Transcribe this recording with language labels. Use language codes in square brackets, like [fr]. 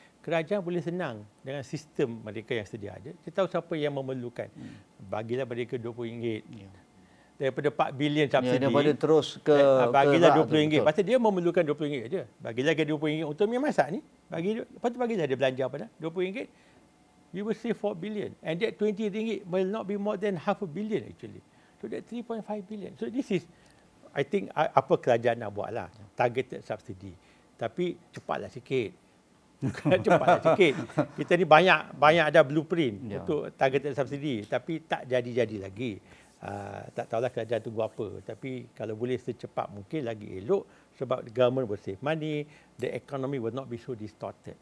[ms] Kerajaan boleh senang dengan sistem mereka yang sedia ada. Kita tahu siapa yang memerlukan. Bagilah mereka RM20. Ya. daripada 4 bilion subsidi. Ya, daripada terus ke bagilah RM20. Pasti dia memerlukan RM20 aja. Bagilah dia RM20 untuk dia masak ni. Bagi lepas tu bagilah dia belanja apa dah. RM20. [en] You will save 4 billion. And that RM20 will not be more than half a billion actually. So that 3.5 billion. So this is, I think, [ms] apa kerajaan nak buat lah. [en] Targeted subsidy. [ms] Tapi cepatlah sikit. Cepatlah sikit. Kita ni banyak ada blueprint untuk targeted subsidy. Tapi tak jadi-jadi lagi. Tak tahulah kerajaan tunggu apa. Tapi kalau boleh secepat mungkin lagi elok. Sebab [en] the government will save money, the economy will not be so distorted.